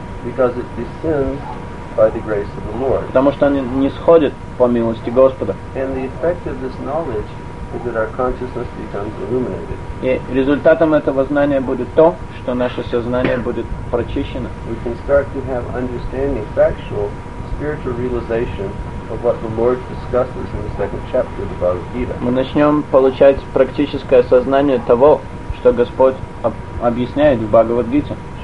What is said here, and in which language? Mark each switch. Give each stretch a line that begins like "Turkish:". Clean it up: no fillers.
English: Because it descends by the grace of the Lord.
Russian: Потому что оно нисходит по милости Господа.
English: And the effect of this knowledge is that our consciousness becomes illuminated.
Russian: И результатом этого знания будет то, что наше сознание будет прочищено.
English: We can start to have understanding, factual, spiritual realization of what the Lord discusses in the second chapter of the Bhagavad Gita.
Russian: Мы начнем получать практическое сознание того, что Господь объясняет в Бхагавад-гите.